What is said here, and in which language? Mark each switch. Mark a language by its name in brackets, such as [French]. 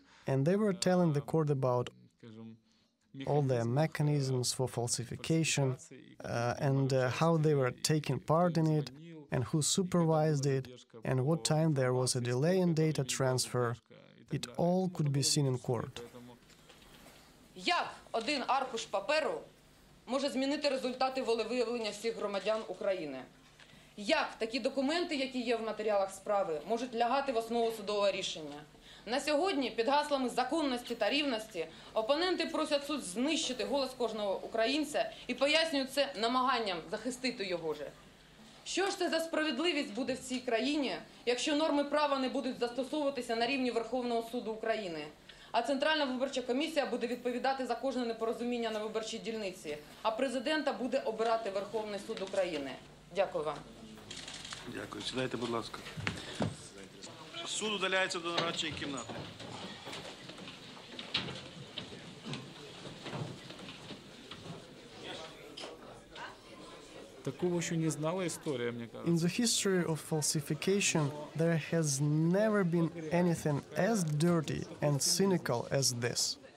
[English] And they were telling the court about all their mechanisms for falsification, and how they were taking part in it, and who supervised it, and what time there was a delay in data transfer. It all could be seen in court. [Ukrainian] Як один аркуш паперу може змінити результати волевиявлення всіх громадян України? Як такі документи, які є в матеріалах справи, можуть лягати в основу судового рішення? На сьогодні під гаслами законності та рівності опоненти просять суд знищити голос кожного українця і пояснюють це намаганням захистити його же. Що ж це за справедливість буде в цій країні, якщо норми права не будуть застосовуватися на рівні Верховного суду України, а Центральна виборча комісія буде відповідати за кожне непорозуміння на виборчій дільниці, а президента буде обирати Верховний суд України? Дякую вам. Дякую. Сідайте, будь ласка. Суд удаляється до нарадчої кімнати. Такого ще не знала історія, мені кажуть. [English] In the history of falsification, there has never been anything as dirty and cynical as this.